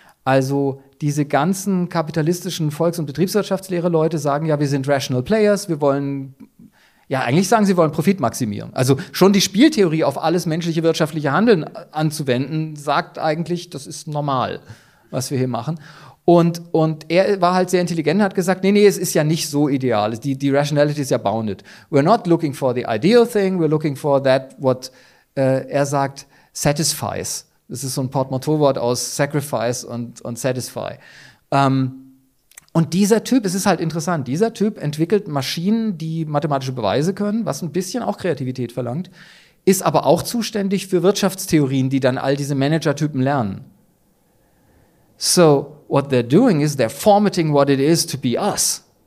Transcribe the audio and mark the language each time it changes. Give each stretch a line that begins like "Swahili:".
German: Also diese ganzen kapitalistischen Volks- und Betriebswirtschaftslehre-Leute sagen ja, wir sind Rational Players, wir wollen, ja eigentlich sagen sie, wollen Profit maximieren. Also schon die Spieltheorie auf alles menschliche wirtschaftliche Handeln anzuwenden, sagt eigentlich, das ist normal, was wir hier machen. Und er war halt sehr intelligent, hat gesagt, nee, es ist ja nicht so ideal, die Rationality ist ja bounded.
English: We're not looking for the ideal thing, we're looking for that, what,
German: er sagt,
English: satisfies.
German: Das ist so ein Portmanteau-Wort aus Sacrifice und Satisfy. Und dieser Typ, es ist halt interessant, dieser Typ entwickelt Maschinen, die mathematische Beweise können, was ein bisschen auch Kreativität verlangt, ist aber auch zuständig für Wirtschaftstheorien, die dann all diese Manager-Typen lernen.
English: So, what they're doing is they're formatting what it is to be us.